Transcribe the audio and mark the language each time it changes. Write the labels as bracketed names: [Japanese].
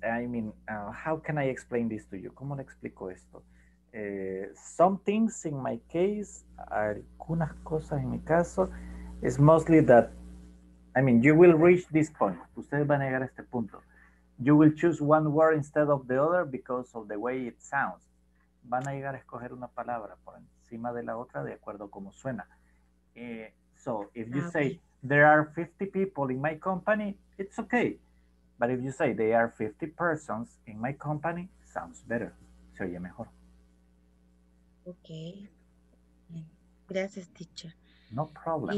[English] I mean, how can I explain this to you? [Spanish] ¿Cómo le explico esto? [English] Some things in my case, [Spanish] algunas cosas en mi caso, [English] is mostly that, I mean, you will reach this point. [Spanish] Ustedes van a llegar a este punto. [English] You will choose one word instead of the other because of the way it sounds. [Spanish] Van a llegar a escoger una palabra por encima de la otra de acuerdo a cómo suena. [English] So, if you say, there are 50 people in my company, it's okay. But if you say, there are 50 persons in my company, sounds better. [Spanish] Se oye mejor. Ok. Gracias, teacher. [English] No problem.